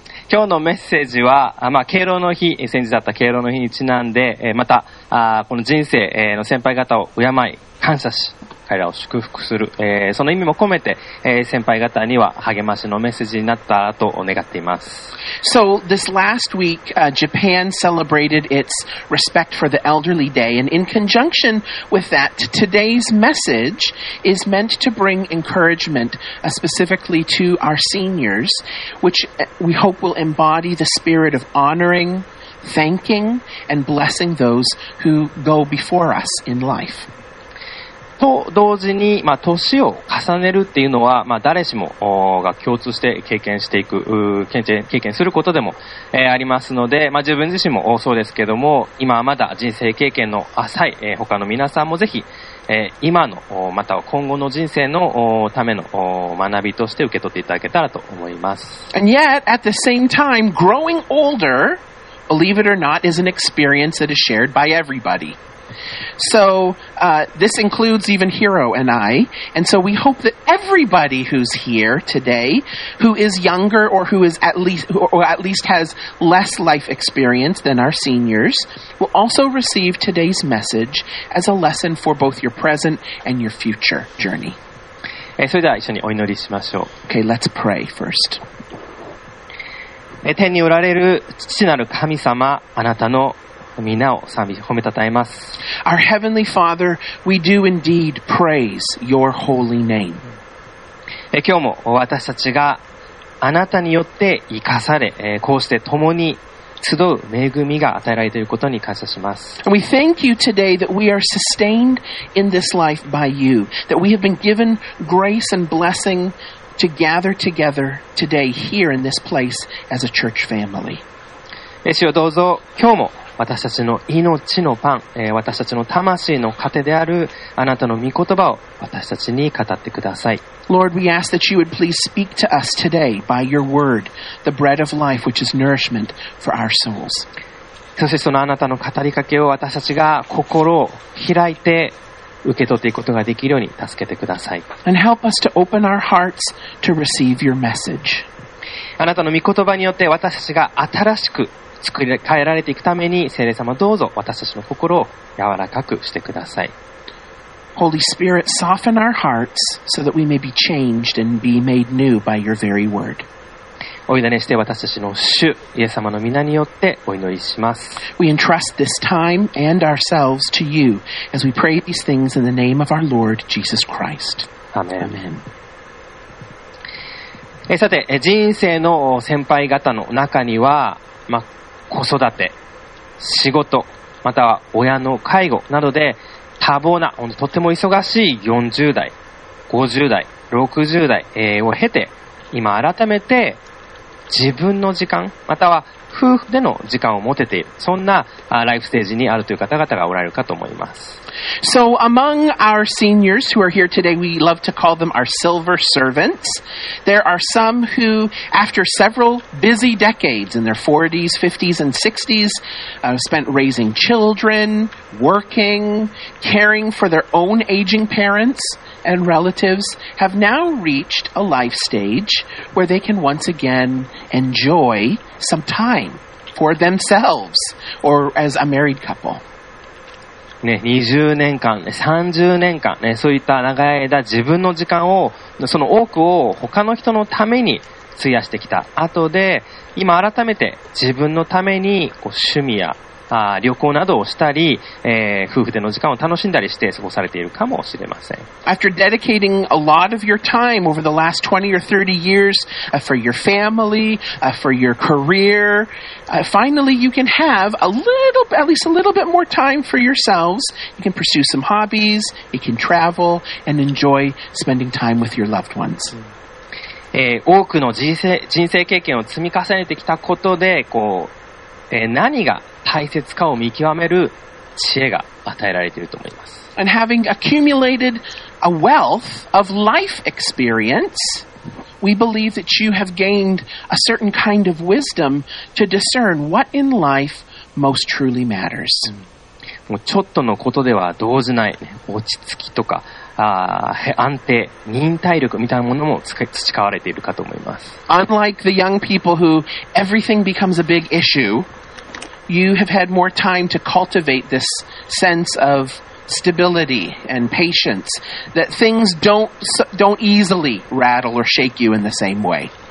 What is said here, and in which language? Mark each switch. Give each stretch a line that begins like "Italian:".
Japanese: 今日のメッセージは、敬老の日、先日だった敬老の日にちなんで、また、この人生の先輩方を敬い、感謝し、彼らを祝福する、その意味も込めて、先輩方には励ましのメッセージになったと願っています。
English: So, this last week, Japan celebrated its Respect for the Elderly Day, and in conjunction with that, today's message is meant to bring encouragement, specifically to our seniors, which we hope will embody the spirit of honoring, thanking, and blessing those who go before us in life.
Japanese: と同時に、年を重ねるっていうのは、誰しもが共通して経験していく、経験することでも、ありますので、自分自身もそうですけども、今はまだ人生経験の浅い、他の皆さんもぜひ、今の、または今後の人生のための学びとして受け取っていただけたらと思います。
English: And yet, at the same time, growing older, believe it or not, is an experience that is shared by everybody. So, this includes even Hiro and I. And so we hope that everybody who's here today, who is younger or who is at least has less life experience than our seniors, will also receive today's message as a lesson for both your present and your future journey.
Japanese: それでは一緒にお祈りしましょう。
English: Okay, let's pray first.
Japanese: 天におられる父なる神様、あなたのみんなを賛美、褒めたたえます。
English: Our Heavenly Father, we do indeed praise your holy name.
Japanese: 今日も私たちがあなたによって生かされ、こうして共に集う恵みが与えられていることに感謝します。
English: We thank you today that we are sustained in this life by you, that we have been given grace and blessing to gather together today here in this place as a church family.
Japanese: 主よどうぞ今日も私たちの命のパン、私たちの魂の糧であるあなたの御言葉を私たちに語ってください。
English: Lord, we ask that you would please speak to us today by your word, the bread of life, which is nourishment for our souls.
Japanese: そしてそのあなたの語りかけを私たちが心を開いて受け取っていくことができるように助けてください。
English: And help us to open our hearts to receive your message.
Japanese: あなたの御言葉によって私たちが新しく作り変えられていくために聖霊様どうぞ私たちの心を柔らかくしてください。
English: Holy Spirit, soften our hearts so that we may be changed and be made new by your very word.
Japanese: お委ねして私たちの主、イエス様の御名によってお祈りします。
English: We entrust this time and ourselves to you as we pray these things in the name of our Lord Jesus Christ. Amen. Amen.
Japanese: さて、人生の先輩方の中には、ま、子育て、仕事、または親の介護などで多忙な、本当とても忙しい40代、50代、60代、を経て、今改めて自分の時間、または夫婦での時間を持てている、そんなライフステージにあるという方々がおられるかと思います。
English: So among our seniors who are here today, we love to call them our silver servants. There are some who, after several busy decades in their 40s, 50s, and 60s, spent raising children, working, caring for their own aging parents and relatives, have now reached a life stage where they can once again enjoy some time for themselves or as a married couple.
Japanese: ね、20年間、30年間、ね、そういった長い間自分の時間をその多くを他の人のために費やしてきた後で今改めて自分のためにこう趣味や旅行などをしたり、夫婦での時間を楽しんだりして過ごされているかもしれません。
English: After dedicating a lot of your time over the last 20 or 30 years for your family, for your career, finally you can have a little, at least a little bit more time for yourselves. You can pursue some hobbies, you can travel, and enjoy spending time with your loved ones.
Japanese: 多くの人生経験を積み重ねてきたことで、こう、何が大切かを見極める知恵が与えられていると思います。
English: And having accumulated a wealth of life experience, we believe that you have gained a certain kind of wisdom to discern what in life most truly matters.
Japanese: もうちょっとのことでは動じない、ね、落ち着きとか安定、忍耐力みたいなものも培われているかと思います。
English: Unlike the young people who everything becomes a big issue,You have had more time to cultivate this sense of stability and patience that things don't easily rattle or shake you in the same way.